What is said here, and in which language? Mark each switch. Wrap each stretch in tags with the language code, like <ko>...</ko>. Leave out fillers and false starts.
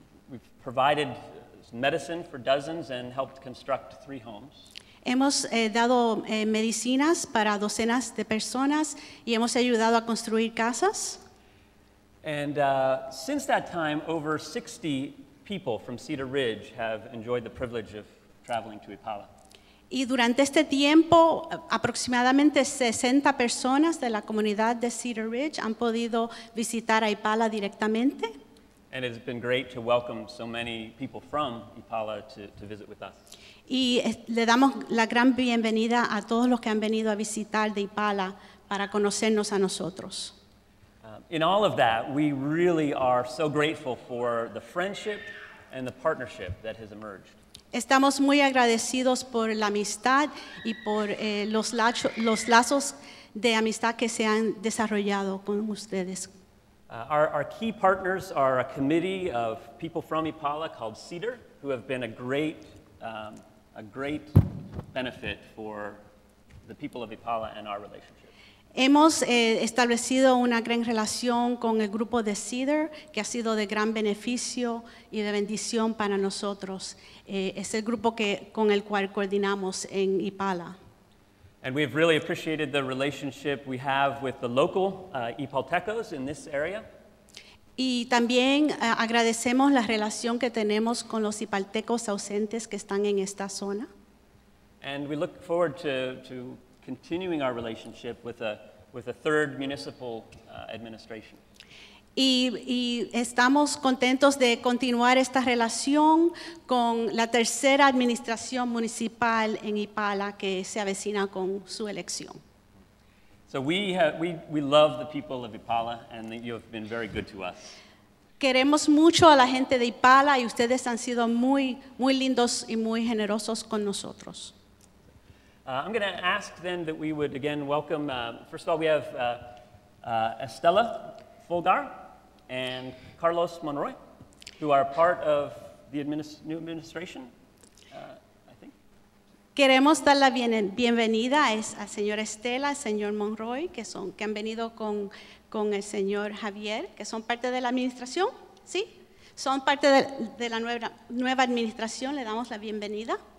<en>We've provided medicine for dozens and helped construct 3 homes.</en> <es>Hemos dado medicinas para docenas de personas y hemos ayudado a construir casas.</es> <en>And since that time, over 60 people from Cedar Ridge have enjoyed the privilege of traveling to Ipala.</en> <es>Y durante este tiempo, aproximadamente 60 personas de la comunidad de Cedar Ridge han podido visitar a Ipala directamente.</es> <en>And it's been great to welcome so many people from Ipala to visit with us.</en> <es>Y le damos la gran bienvenida a todos los que han venido a visitar de Ipala para conocernos a nosotros.</es> <en>In all of that, we really are so grateful for the friendship and the partnership that has emerged.</en> <es>Estamos muy agradecidos por la amistad y por los lazos de amistad que se han desarrollado con ustedes.</es> <en>Our key partners are a committee of people from Ipala called CEDAR, who have been a great benefit for the people of Ipala and our relationship.</en> <es>Hemos establecido una gran relación con el grupo de CEDAR, que ha sido de gran beneficio y de bendición para nosotros. Es el grupo con el cual coordinamos en Ipala.</es> <en>And we've really appreciated the relationship we have with the local Ipaltecos in this area.</en> <es>Y también agradecemos la relación que tenemos con los Ipaltecos ausentes que están en esta zona.</es> <en>And we look forward to continuing our relationship with a third municipal administration.</en> <es>Y estamos contentos de continuar esta relación con la tercera administración municipal en Ipala que se avecina con su elección.</es> <en>So we love the people of Ipala, and you have been very good to us.</en> <es>Queremos mucho a la gente de Ipala, y ustedes han sido muy, muy lindos y muy generosos con nosotros.</es> <en>I'm going to ask then that we would again welcome, first of all, we have Estela Folgar and Carlos Monroy, who are part of the new administration, I think.</en> <es>Queremos dar la bienvenida a señor Estela, señor Monroy, que han venido con el señor Javier, que son parte de la administración, ¿sí? Son parte de la nueva administración, le damos la bienvenida.</es>